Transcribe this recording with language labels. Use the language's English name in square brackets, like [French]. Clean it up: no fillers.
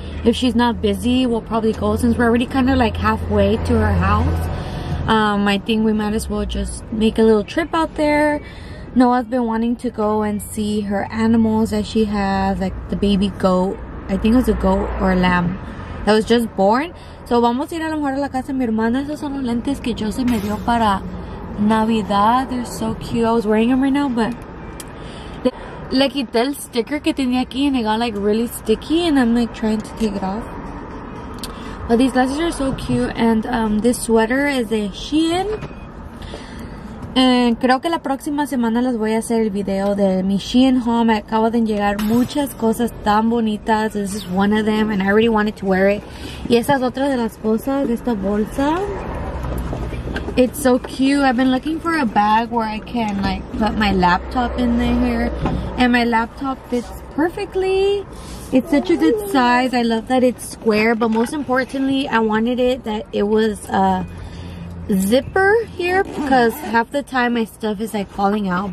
[English] If she's not busy, we'll probably go, since we're already kind of like halfway to her house. I think we might as well just make a little trip out there. Noah's been wanting to go and see her animals that she has, like the baby goat. I think it was a goat or a lamb that was just born. [Spanish] So vamos a ir a lo mejor a la casa de mi hermana. Esos son los lentes que Joseph me dio para Navidad. [English] They're so cute. I was wearing them right now, but [Spanish] le quité el sticker que tenía aquí, [English] and it got like really sticky, and I'm like trying to take it off. But these glasses are so cute, and this sweater is a Shein. [Spanish] And creo que la próxima semana les voy a hacer el video de mi Shein home. Me acabo de llegar muchas cosas tan bonitas. [English] This is one of them, and I really wanted to wear it. [Spanish] Y esa es otra de las cosas, esta bolsa. [English] It's so cute. I've been looking for a bag where I can like put my laptop in there, and my laptop fits perfectly. It's such a good size. I love that it's square, but most importantly, I wanted it that it was a zipper here, because half the time my stuff is like falling out.